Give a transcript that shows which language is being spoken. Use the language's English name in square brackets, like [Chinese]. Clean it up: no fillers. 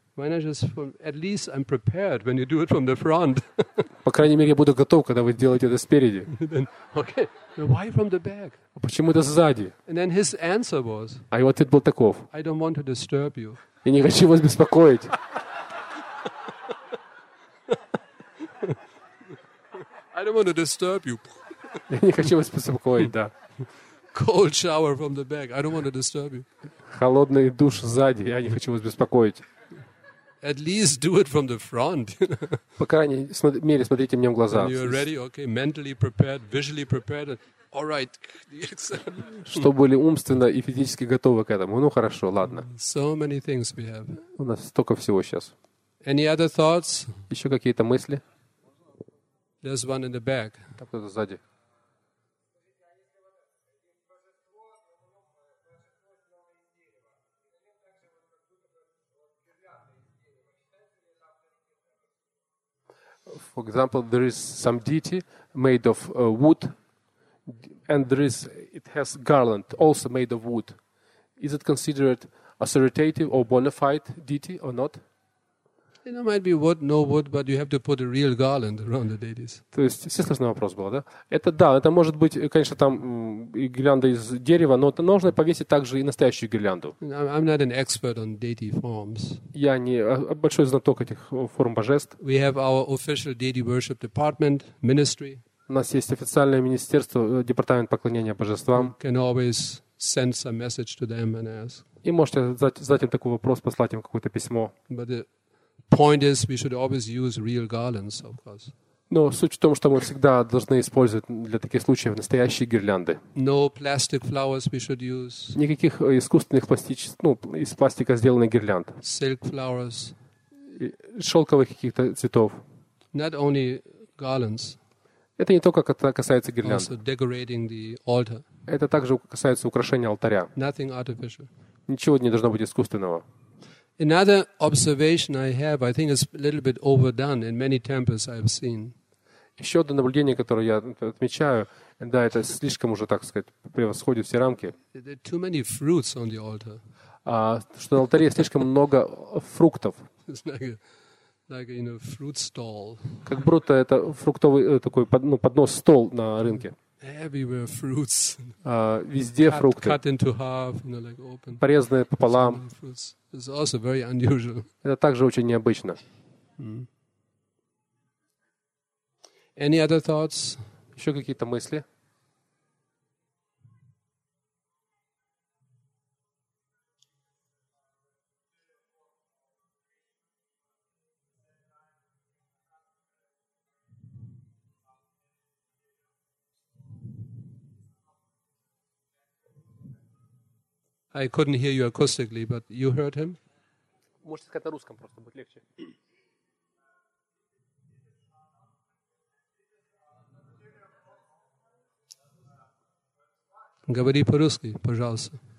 [English] Why not just from, at least I'm prepared when you do it from the front. [Russian] По крайней мере, я буду готов, когда вы делаете это спереди. [English] Then, okay, now why from the back? [Russian] А почему это сзади? [English] And then his answer was, [Russian] а его ответ был таков. [English] I don't want to disturb you. [Russian] Я не хочу вас беспокоить. [English] I don't want to disturb you. [Russian] Я не хочу вас беспокоить, да. [English] Cold shower from the back. I don't want to disturb you. [Russian] Холодный душ сзади, я не хочу вас беспокоить. [English] At least do it from the front. [Russian] По крайней мере, смотрите мне в глаза. [English] When you're ready, okay, mentally prepared, visually prepared, all right. [Russian] Чтобы были умственно и физически готовы к этому. Ну хорошо, ладно. [English] So many things we have. [Russian] У нас столько всего сейчас. [English] Any other thoughts? [Russian] Еще какие-то мысли? [English] There's one in the back. [Russian] Там кто-то сзади. [English] For example, there is some deity made of wood, and there is it has garland also made of wood. Is it considered authoritative or bona fide deity or not? You know, might be wood, no wood, but you have to put a real garland around the deities. [Russian] То есть, естественно, вопрос был, да? Это да, это может быть, конечно, там и гирлянда из дерева, но это нужно повесить также и настоящую гирлянду. [English] I'm not an expert on deity forms. [Russian] Я не большой знаток этих форм божеств. [English] We have our official deity worship department, ministry. [Russian] У нас есть официальное министерство, департамент поклонения божествам. [English] Can always send some message to them and ask. [Russian] И можете задать им такой вопрос, послать им какое-то письмо. [English] But the point is, we should always use real garlands, of course. [Russian] Но суть в том, что мы всегда должны использовать для таких случаев настоящие гирлянды. [English] No plastic flowers we should use. [Russian] Никаких искусственных пластических, ну, из пластика сделанных гирлянд. [English] Silk flowers. [Russian] Шелковых каких-то цветов. [English] Not only garlands. [Russian] Это не только касается гирлянд. [English] Also decorating the altar. [Russian] Это также касается украшения алтаря. [English] Nothing artificial. [Russian] Ничего не должно быть искусственного. [English] Another observation I have, I think, is a little bit overdone in many temples I have seen. [Russian] Еще одно наблюдение, которое я отмечаю, да, это слишком уже, так сказать, превосходит все рамки. [English] There are too many fruits on the altar. [Russian] Что на алтаре слишком много фруктов. [English] It's like a, you know, fruit stall. [Russian] Как будто это фруктовый такой поднос, стол на рынке. [English] Everywhere fruits. [Russian] Везде фрукты. [English] Cut into half, you know, like open. [Russian] Порезанные пополам. [English] It's also very unusual. [Russian] Это также очень необычно. [English] Any other thoughts? [Russian] Еще какие-то мысли? [English] I couldn't hear you acoustically, but you heard him. [Russian] Можете сказать на русском просто, будет легче. Говори по-русски, пожалуйста.